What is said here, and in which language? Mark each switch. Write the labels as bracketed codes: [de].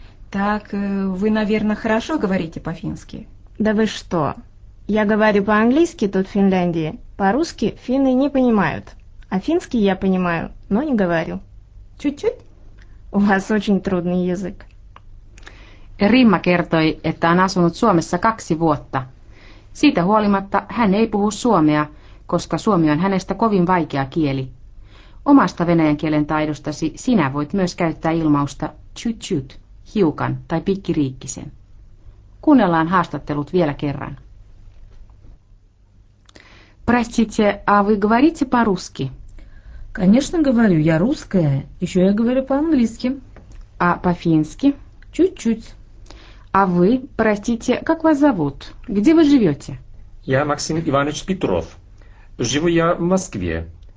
[ru] Так, вы, наверное, хорошо говорите по-фински? Да вы что? Я говорю по-английски тут, в Финляндии. По-русски финны не понимают. А финский я понимаю, но не говорю. Чуть-чуть? У вас очень трудный язык. [fi] Римма kertoi, että on asunut Suomessa 2 vuotta. Siitä huolimatta hän ei puhu suomea, koska suomi on hänestä kovin vaikea kieli. Omasta venäjän kielen taidostasi sinä voit myös käyttää ilmausta chut-chut, hiukan tai pikkiriikkisen. Kuunnellaan haastattelut vielä kerran. [ru] Простите, а вы говорите по-русски? Конечно, говорю. Я русская. Еще я говорю по-английски. А по-фински? Чуть-чуть. А вы, простите, как вас зовут? Где вы живете? Я Максим Иванович Петров. Живу я в Москве.